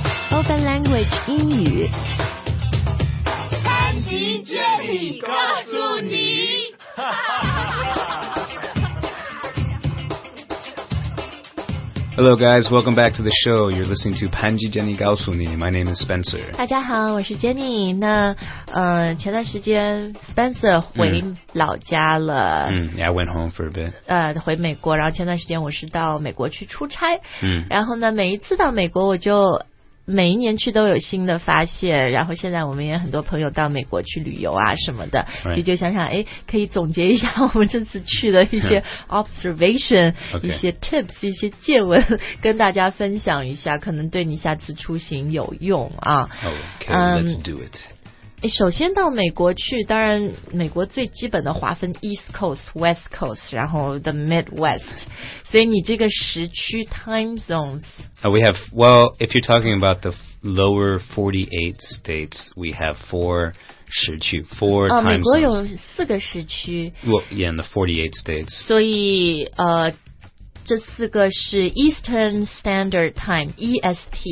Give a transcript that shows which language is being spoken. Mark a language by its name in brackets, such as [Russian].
[Chinese] Open Language 英语。潘吉杰里告诉你。 [English] Hello guys, welcome back to the show. You're listening to Panji Jenny Gao Su Ni. My name is Spencer. [Chinese] 大家好，我是 Jenny。那前段时间 Spencer 回老家了。 [English] Yeah, I went home for a bit. [Chinese] 回美国，然后前段时间我是到美国去出差。然后呢，每一次到美国我就每一年去都有新的发现，然后现在我们也很多朋友到美国去旅游啊什么的，其实就想想，哎，可以总结一下我们这次去的一些 observation、一些 tips、一些见闻，跟大家分享一下，可能对你下次出行有用啊。 [English] Let's do it. [Chinese] 首先到美国去，当然美国最基本的划分 East Coast、West Coast， 然后 the Midwest， 所以你这个时区 time zones。 [English] Well, if you're talking about the lower 48 states, we have four 时区, four time zones. [Chinese] 美国有四个时区。 [English] Well, yeah, in the 48 states. [Chinese] 所以这四个是 Eastern Standard Time, EST.